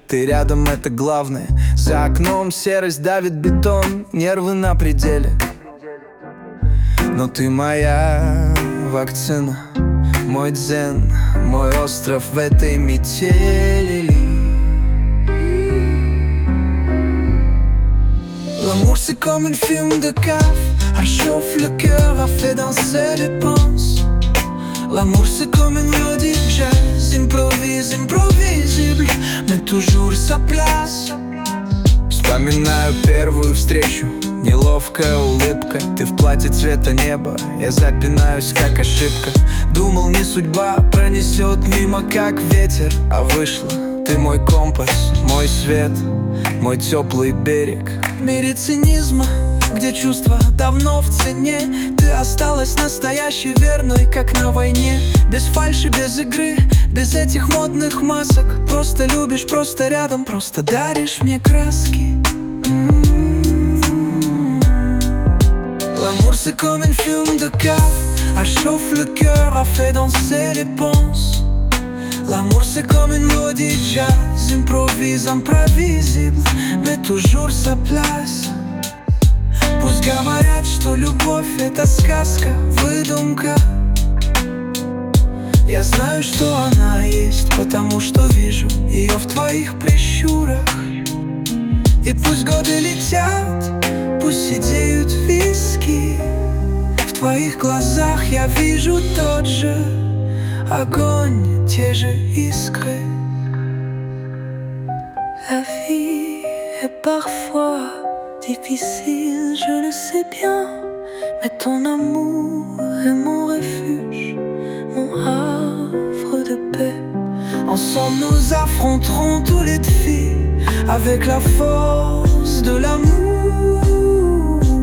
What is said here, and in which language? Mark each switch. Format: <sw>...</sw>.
<ru>Ты рядом, это главное. За окном серость давит бетон. Нервы на пределе. Но ты моя вакцина, мой дзен, мой остров в этой метели.</ru> <fr>L'amour c'est comme un film de cave. Un chauffe le cœur a fait danser les pans. L'amour c'est comme une mélodie jazz, improvise, improvisible, mais toujours sa place.</fr> <ru>Вспоминаю первую встречу, неловкая улыбка. Ты в платье цвета неба, я запинаюсь, как ошибка. Думал, не судьба пронесет мимо, как ветер. А вышло, ты мой компас, мой свет, мой теплый берег. В мире цинизма, где чувства давно в цене. Ты осталась настоящей, верной, как на войне. Без фальши, без игры, без этих модных масок. Просто любишь, просто рядом, просто даришь мне краски.</ru> <fr>L'amour c'est comme un film de cave. Un chauffe le cœur a fait danser les pans. L'amour c'est comme une mélodie jazz. Improvise, imprévisible, mais toujours sa place.</fr> <ru>Пусть говорят, что любовь — это сказка, выдумка. Я знаю, что она есть, потому что вижу ее в твоих прищурах. И пусть годы летят, пусть сидеют виски. В твоих глазах я вижу тот же огонь, те же искры.</ru> <fr>La vie est parfois difficile, je le sais bien, mais ton amour est mon refuge, mon havre de paix. Ensemble nous affronterons tous les défis avec la force de l'amour</fr>